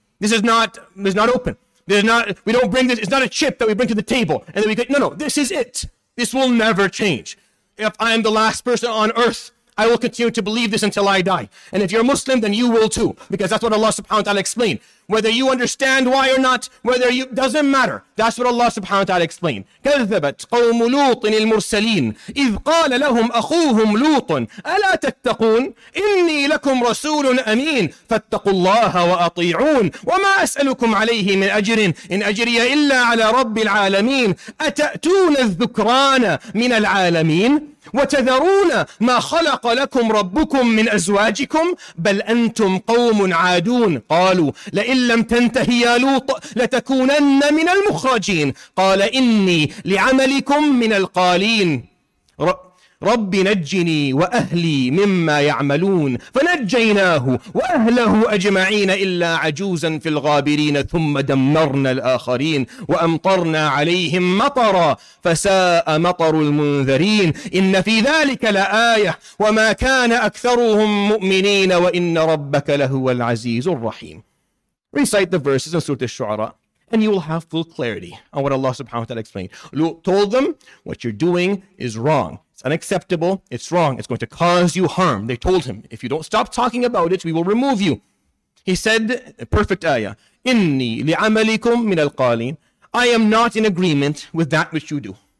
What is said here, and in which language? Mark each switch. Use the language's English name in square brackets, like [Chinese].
[English] This is not open. It's not a chip that we bring to the table and then we go, no, this is it. This will never change. If I am the last person on earth, I will continue to believe this until I die. And if you're Muslim, then you will too. Because that's what Allah subhanahu wa ta'ala explained. Whether you understand why or not, whether you, doesn't matter. That's what Allah subhanahu wa ta'ala explained. [Arabic] كَذَّبَتْ قَوْمُ لُوطٍ الْمُرْسَلِينَ إِذْ قَالَ لَهُمْ أَخُوهُمْ لُوطٌ أَلَا تَتَّقُونَ إِنِّي لَكُمْ رَسُولٌ أَمِينٌ فَاتَّقُوا اللَّهَ وَأَطِيعُونَ وَمَا أَسْأَلُكُمْ عَلَيْهِ مِنْ أَجْرٍ إِنْ أَجْرِيَ إِلَّا عَلَى رَبِّ الْعَالَمِينَ أَتَأْتُونَ الذُّكْرَانَ مِنَ الْعَالَمِينَ وتذرون ما خلق لكم ربكم من أزواجكم بل أنتم قوم عادون قالوا لئن لم تنتهي يا لوط لتكونن من المخرجين قال إني لعملكم من القالين رب نجني وأهلي مما يعملون فنجيناه وأهله أجمعين إلا عجوزا في الغابرين ثم دمرنا الآخرين وأمطرنا عليهم مطرا فساء مطر المنذرين إن في ذلك لآية وما كان أكثرهم مؤمنين وإن ربك لهو العزيز الرحيم. [English] Recite the verses of Surah Al-Shu'ara and you will have full clarity on what Allah subhanahu wa ta'ala explained. Lut told them, what you're doing is wrong. Unacceptable, it's wrong, it's going to cause you harm. They told him, if you don't stop talking about it, we will remove you. He said, perfect ayah, [Arabic] inni li'amalikum min al-qalin, [English] I am not in agreement with that which you do.